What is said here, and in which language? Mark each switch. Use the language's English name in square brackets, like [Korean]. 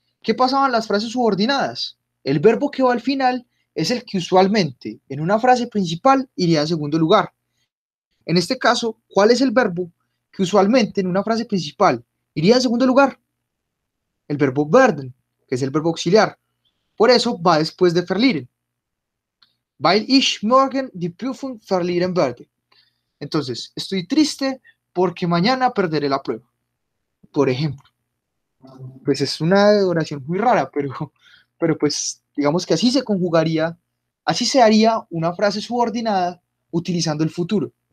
[Spanish] ¿Qué pasaba en las frases subordinadas? El verbo que va al final es el que usualmente en una frase principal iría en segundo lugar. En este caso, ¿cuál es el verbo que usualmente en una frase principal iría en segundo lugar? El verbo werden, que es el verbo auxiliar. Por eso va después de verlieren. [German] Weil ich morgen die Prüfung verlieren werde. [Spanish] Entonces, estoy triste porque mañana perderé la prueba. Por ejemplo. Pues es una oración muy rara, pero pues digamos que así se conjugaría, así se haría una frase subordinada utilizando el futuro.